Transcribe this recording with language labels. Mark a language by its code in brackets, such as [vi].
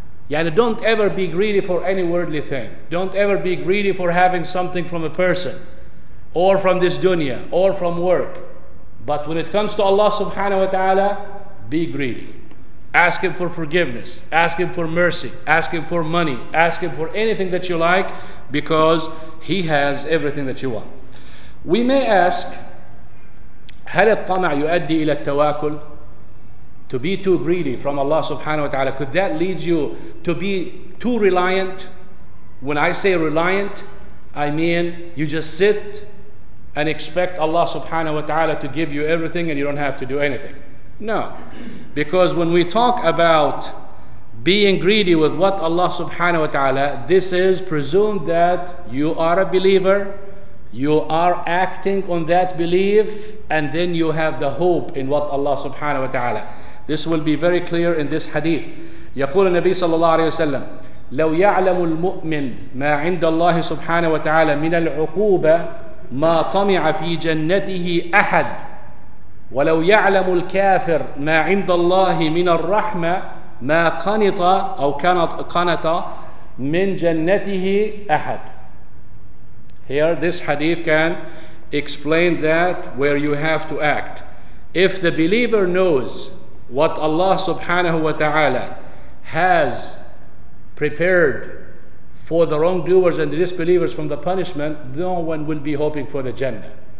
[en] Yani don't ever be greedy for any worldly thing. Don't ever be greedy for having something from a person or from this dunya or from work. But when it comes to Allah subhanahu wa ta'ala, be greedy. Ask Him for forgiveness. Ask Him for mercy. Ask Him for money. Ask Him for anything that you like, because He has everything that you want. [ar] We may ask, هل الطمع يؤدي إلى التواكل? [en] To be too greedy from Allah subhanahu wa ta'ala, could that lead you to be too reliant? When I say reliant, I mean you just sit and expect Allah subhanahu wa ta'ala to give you everything and you don't have to do anything. No, because when we talk about being greedy with what Allah subhanahu wa ta'ala, this is presumed that you are a believer, you are acting on that belief, and then you have the hope in what Allah subhanahu wa ta'ala. This will be very clear in this hadith. [ar] يقول النبي صلى الله عليه وسلم لو يعلم المؤمن ما عند الله سبحانه وتعالى من العقوبة ما طمع في جنته أحد ولو يعلم الكافر ما عند الله من الرحمة ما قنط أو قنط من جنته أحد. [en] Here this hadith can explain that where you have to act. If the believer knows what Allah subhanahu wa ta'ala has prepared for the wrongdoers and the disbelievers from the punishment, no one will be hoping for the Jannah.